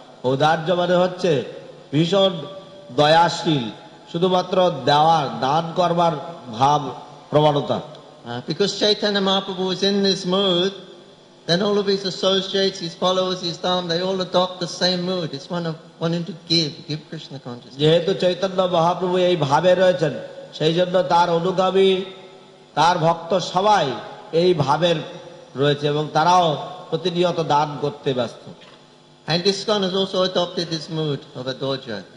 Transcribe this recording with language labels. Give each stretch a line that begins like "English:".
Bangla: ঔদার্য মানে হচ্ছে ভীষণ দয়াশীল, শুধুমাত্র দেওয়ার দান করবার ভাব প্রবণতা.
English: Because Chaitanya Mahaprabhu was in this mood, then all of his associates, his followers, his dham, they all adopt the same mood. It's one of wanting to give Krishna consciousness.
Bangla: যেহেতু চৈতন্য মহাপ্রভু এই ভাবে রয়েছেন সেই জন্য তার অনুগামী তার ভক্ত সবাই এই ভাবের রয়েছে এবং তারাও প্রতিনিয়ত দান করতে ব্যস্ত.
English: And ISKCON has also adopted this mood of a doja.